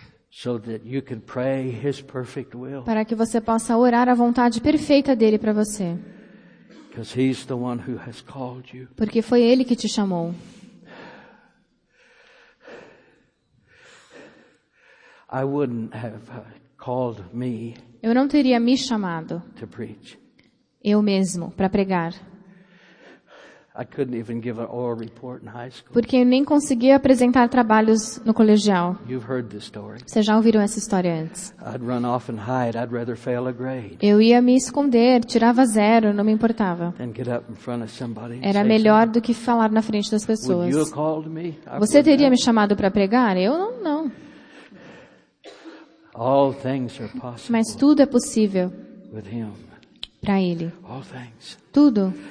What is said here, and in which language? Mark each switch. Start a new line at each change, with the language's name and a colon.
English: So that you can pray his perfect will.
Portuguese: Para que você possa orar a vontade perfeita dele para você.
English: Because he's the one who has called you.
Portuguese: Porque foi ele que te chamou.
English: I wouldn't have called me.
Portuguese: Eu não teria me chamado
English: to preach.
Portuguese: Eu mesmo para pregar.
English: I couldn't even give an oral report in high school.
Portuguese: Porque eu nem conseguia apresentar trabalhos no colegial.
English: You've heard this story.
Portuguese: Vocês já ouviram essa história antes.
English: I'd run off and hide. I'd rather fail a grade.
Portuguese: Eu ia me esconder, tirava zero, não me importava.
English: And get up in front of somebody and
Portuguese: era
English: say
Portuguese: melhor
English: something.
Portuguese: Do que falar na frente das pessoas.
English: Would you have called me?
Portuguese: Você teria me chamado para pregar? Eu não, não.
English: All things are possible.
Portuguese: Mas tudo é possível para Ele.
English: All things.
Portuguese: Tudo.